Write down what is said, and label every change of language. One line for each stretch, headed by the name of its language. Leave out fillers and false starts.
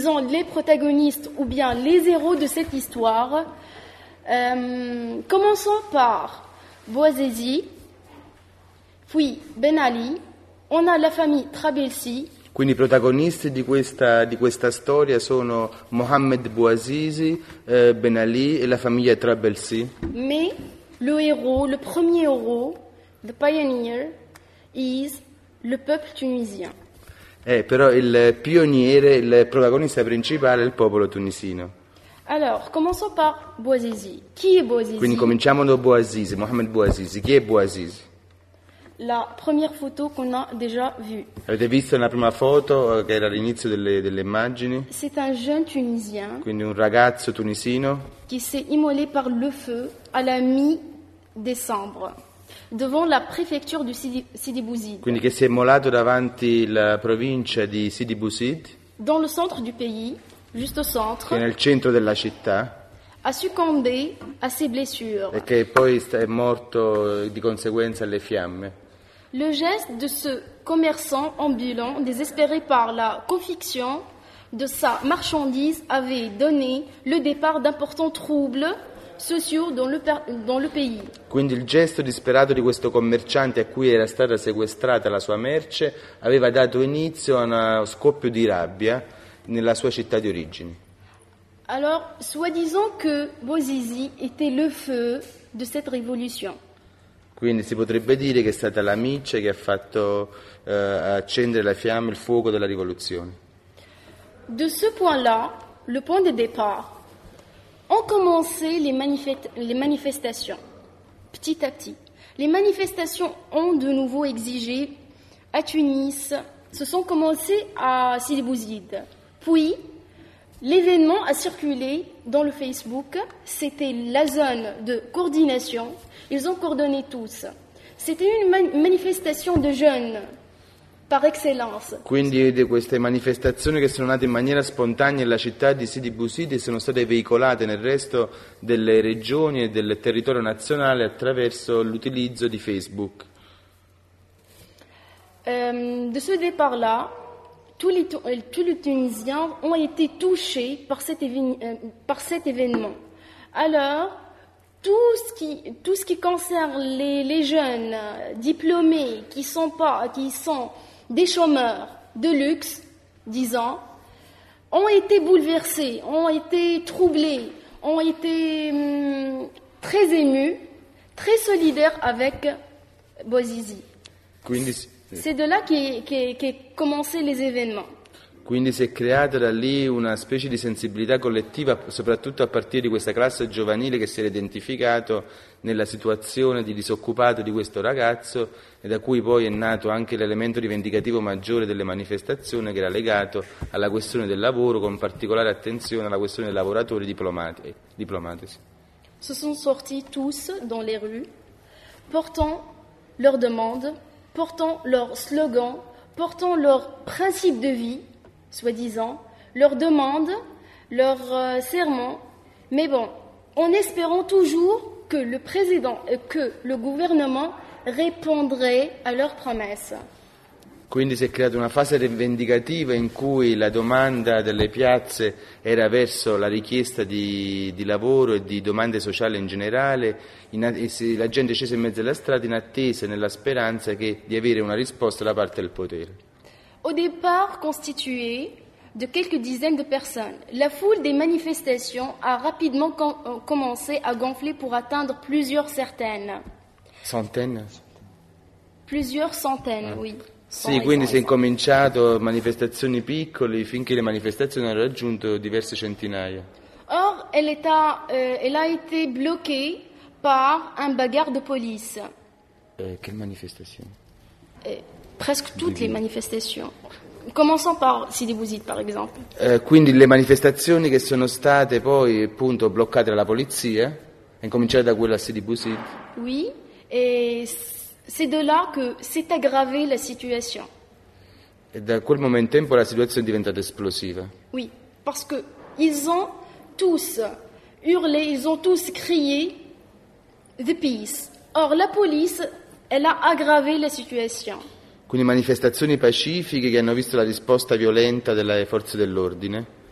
French: Les protagonistes ou bien les héros de cette histoire, commençons par Bouazizi, puis Ben Ali, on a la famille Trabelsi.
Italian: Quindi i protagonisti di questa storia sono Mohamed Bouazizi, Ben Ali e la famiglia Trabelsi. Ma il
French: héros, le premier héros, le pionier, is le peuple tunisien.
Italian: Però il pioniere, il protagonista principale è il popolo tunisino.
French: Alors, commençons par Bouazizi.
Italian: Chi è Bouazizi? Quindi cominciamo da Bouazizi, Mohamed Bouazizi. Chi è Bouazizi?
French: la première photo qu'on a déjà vue.
Italian: Avete visto la prima foto che era all'inizio delle immagini?
French: C'est un jeune tunisien.
Italian: Quindi un ragazzo tunisino.
French: Qui s'est immolé par le feu à la mi-décembre devant la préfecture de Sidi Bouzid.
Italian: Quindi che si è immolato davanti la provincia di Sidi Bouzid.
French: Dans le centre du pays, juste au centre.
Italian: Che nel centro della città.
French: A succombé à ses blessures.
Italian: E che poi è morto di conseguenza alle fiamme.
French: Le geste de ce commerçant ambulant, désespéré par la confection de sa marchandise, avait donné le départ d'importants troubles sociaux dans le pays.
Italian: Quindi il gesto disperato di questo commerciante a cui era stata sequestrata la sua merce aveva dato inizio a uno scoppio di rabbia nella sua città di origine.
French: Alors, soi-disant que Bouzizi était le feu de cette révolution.
Italian: Quindi si potrebbe dire che è stata la miccia che ha fatto accendere la fiamma, il fuoco della rivoluzione.
French: De ce point-là, le point de départ, ont commencé les manifestations, petit à petit. Les manifestations ont de nouveau exigé à Tunis, se sont commencées à Sidi Bouzid, puis... L'événement a circulé dans le Facebook, c'était la zone de coordination, ils ont coordonné tous. C'était une manifestation de jeunes, par excellence.
Italian: Quindi queste manifestazioni che sono nate in maniera spontanea nella città di Sidi Bouzid sono state veicolate nel resto delle regioni e del territorio nazionale attraverso l'utilizzo di Facebook.
French: De ce départ-là, Tous les Tunisiens ont été touchés par cet événement. Alors, tout ce qui concerne les jeunes diplômés qui sont des chômeurs de luxe, disons, ont été bouleversés, ont été troublés, ont été très émus, très solidaires avec Bouzizi.
Italian: Quindi...
French: C'est de là qu'è commencé les événements.
Italian: Quindi si è creata da lì una specie di sensibilità collettiva, soprattutto a partire di questa classe giovanile che si era identificato nella situazione di disoccupato di questo ragazzo e da cui poi è nato anche l'elemento rivendicativo maggiore delle manifestazioni che era legato alla questione del lavoro, con particolare attenzione alla questione dei lavoratori diplomatici. Se sono sortiti tutti
French: dans les rues, portant leur demande, portant leur slogan, portant leur principe de vie, soi-disant, leur demande, leur serment. Mais bon, en espérant toujours que le président et que le gouvernement répondraient à leurs promesses.
Italian: Quindi si è creata una fase rivendicativa in cui la domanda delle piazze era verso la richiesta di lavoro e di domande sociali in generale, la gente è scesa in mezzo alla strada in attesa e nella speranza di avere una risposta da parte del potere.
French: Au départ constitué de quelques dizaines de personnes, la foule des manifestations a rapidement commencé à gonfler pour atteindre plusieurs certaines. Centaines. Plusieurs centaines, oui.
Italian: Sì, quindi si è incominciato manifestazioni piccole finché le manifestazioni hanno raggiunto diverse centinaia.
French: Or, elle a été bloquée par un bagarre de police. Quelle manifestation? Presque toutes les manifestations. Commençons par Sidi Bouzid, par exemple.
Italian: Quindi le manifestazioni che sono state poi appunto bloccate dalla polizia, è cominciata da quella a Sidi Bouzid.
French: Oui, c'est de là que s'est aggravée la situation.
Italian: Et da quel momento in poi la situazione è diventata esplosiva.
French: Oui, parce que ils ont tous hurlé, ils ont tous crié
English: the peace.
French: Or la police, elle a aggravé la situation.
Italian: Quindi manifestazioni pacifiche che hanno visto la risposta violenta delle forze dell'ordine.